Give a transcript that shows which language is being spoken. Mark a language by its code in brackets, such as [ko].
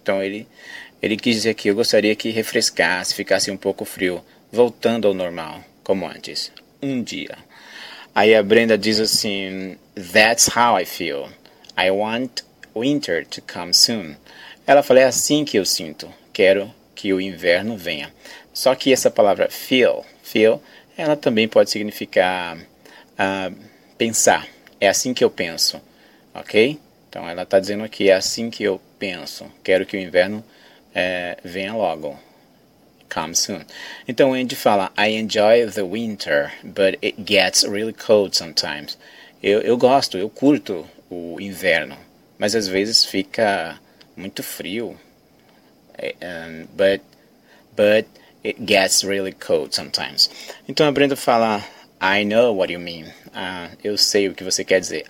[pt] Então ele quis dizer que eu gostaria que refrescasse, ficasse um pouco frio, voltando ao normal, como antes, um dia. Aí a Brenda diz assim, [en] that's how I feel. I want winter to come soon. [pt] Ela fala, é assim que eu sinto, quero que o inverno venha. Só que essa palavra feel, ela também pode significar pensar. É assim que eu penso, ok? Então, ela está dizendo aqui, é assim que eu penso. Quero que o inverno venha logo. [en] Come soon. [pt] Então, Andy fala, [en] I enjoy the winter, but it gets really cold sometimes. [pt] Eu gosto, eu curto o inverno, mas às vezes fica muito frio. [en] But it gets really cold sometimes. [pt] Então aprendo a falar [en] I know what you mean. [pt] Ah, eu sei o que você quer dizer.